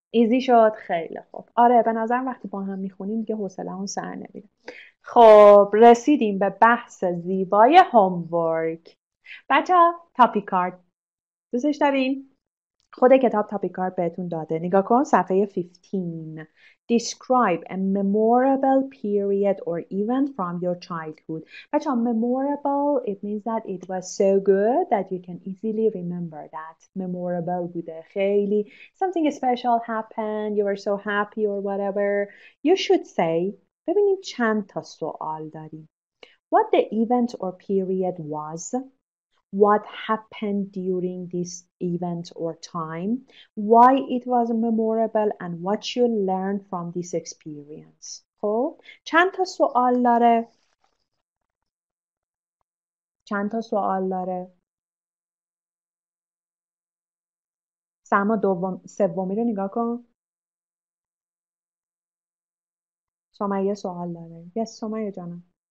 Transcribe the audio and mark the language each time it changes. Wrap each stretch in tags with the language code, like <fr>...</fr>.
<fa>ایزی شد خیلی خوب. آره به نظرم وقتی با هم میخونیم دیگه حوصله اون سر نمیره. خب رسیدیم به بحث زیبای هومورک. بچه ها تاپیک کارت. دوستش داریم؟ خود کتاب تاپیک کارت بهتون داده. نگاه کن صفحه 15.</fa> <en>Describe a memorable period or event from your childhood.</en> <fa>بچه ها</fa> <en>memorable it means that it was so good that you can easily remember that. Memorable</en> <fa>بوده خیلی.</fa> <en>Something special happened. You were so happy or whatever. You should say.</en> <fa>ببینیم چند تا سوال داریم.</fa> <en>What the event or period was. What happened during this event or time? Why it was memorable and what you learned from this experience?</en> <fa>خب چند تا سوال داره؟ چند تا سوال داره؟ سما دوم سومی رو نگاه کن. سمیه سوال داره. Yes سمیه جانم.</fa>